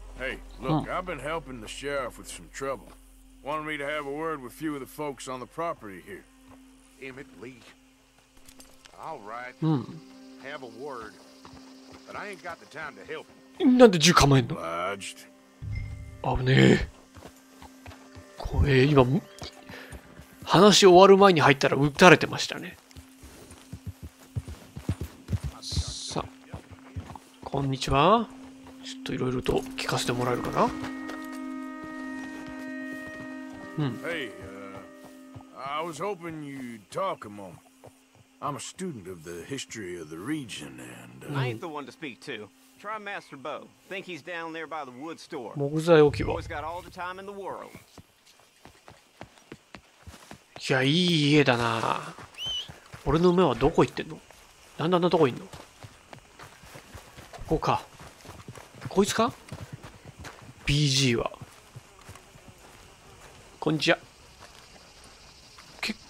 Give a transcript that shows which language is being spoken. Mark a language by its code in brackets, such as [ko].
[en] Hey, look, I've been helping the sheriff with some trouble. Wanted me to have a word with few of the folks on the property here. Emmett Lee. All right. Have a word. But I ain't got the time to help. [ja] なんで銃構えんの？危ねえ。これ今話終わる前に入ったら撃たれてましたね。さ、こんにちは。ちょっといろいろと聞かせてもらえるかな。うん。 [en] Hey, I was hoping you'd talk a moment. I'm a student of the history of the region and. I ain't the one to speak to. Try Master Bo. Think he's down there by the wood store. [ja] 木材置き場。 [en] He's got all the time in the world. [ja] いや、いい家だな。俺の目はどこ行ってんの？なんであんなとこいんの？ここか。こいつか？ BG は。こんにちは。結